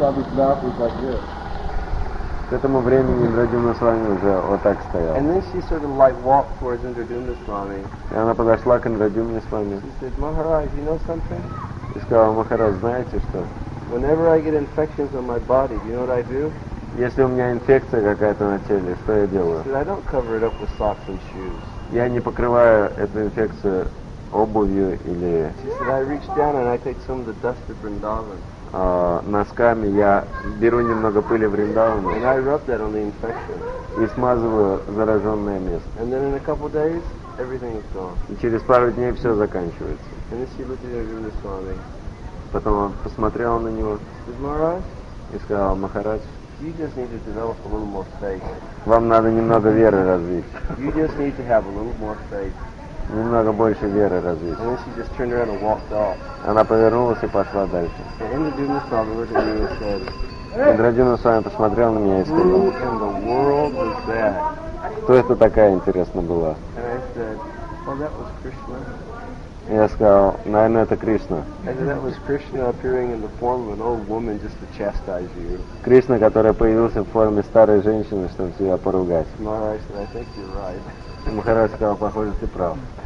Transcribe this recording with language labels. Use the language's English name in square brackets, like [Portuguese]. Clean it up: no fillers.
[Russian] К этому времени Индрадюна Свами уже вот так стоял. [English] And then she sort of like walked towards Indradyuna Swami. [Russian] И она подошла к Индрадюне Свами. [English] She said, "Maharaj, you know something?" [Russian] И сказала, "Махарадж, знаете что?" [English] Whenever I get infections on my body, you know what I do? [Russian] Если у меня инфекция какая-то на теле, что я делаю? [English] She said, "I don't cover it up with socks and shoes." [Russian] Я не покрываю эту инфекцию обувью или. [English] She said, "I reach down and I take some of the dust of Vrindavan." [Russian] Носками я беру немного пыли в Риндауне. [English] And I rub that on the infection. [Russian] И смазываю зараженное место. [English] And then in a couple of days, everything is gone. [Russian] И через пару дней все заканчивается. [English] And then she looked at Indradyuna Swami. [Russian] Потом он посмотрел на него. [English] Said, "Maharaj." [Russian] И сказал, "Махарадж." [English] You just need to develop a little more faith. [Russian] Вам надо немного веры развить. [English] You just need to have a little more faith. [Russian] Немного больше веры развить. [English] And then she just turned around and walked off. [Russian] Она повернулась и пошла дальше. [English] Indradyuna Swami looked at me and said, [Russian] Indradyuna Swami посмотрел на меня и сказал, [English] "Who in the world was that?" [Russian] Кто это такая интересная была? [English] And I said, "Well, that was Krishna." [Russian] Я сказал, наверное, это Кришна. [English] That was Krishna appearing in the form of an old woman just to chastise you. [Russian] Кришна, который появился в форме старой женщины, чтобы тебя поругать. [English] Maharaj said, "I think you're right." [Russian] Махарадж сказал, "Похоже, ты прав."